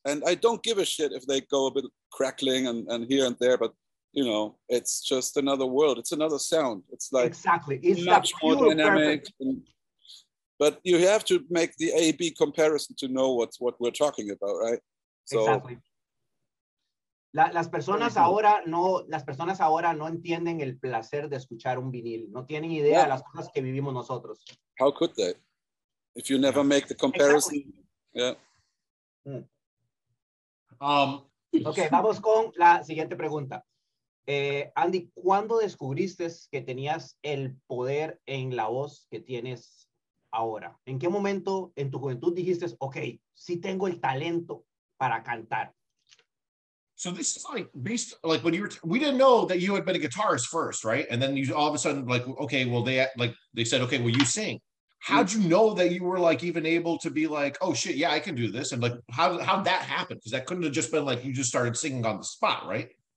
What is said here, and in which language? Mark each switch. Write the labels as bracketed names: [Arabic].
[English] And I don't give a shit if they go a bit crackling and here and there. But, you know, it's just another world. It's another sound. It's like exactly. It's much more dynamic. But you have to make the A-B comparison to know what we're talking about, right? So, exactly. [Spanish] Las personas ahora no entienden el placer de escuchar un vinil. No tienen idea de las cosas que vivimos nosotros. [English] How could they? If you never make the comparison. Exactly. Yeah. [Spanish] Okay, vamos con la siguiente pregunta. Andi, ¿cuándo descubriste que tenías el poder en la voz que tienes ahora? ¿En qué momento en tu juventud dijiste, okay, sí tengo el talento para cantar? [English] So this is like based, like when you were, we didn't know that you had been a guitarist first, right? And then you all of a sudden like, okay, well they said, okay, well you sing. How'd you know that you were like even able to be like, oh shit, yeah, I can do this? And like, how'd that happen? Because that couldn't have just been like, you just started singing on the spot, right?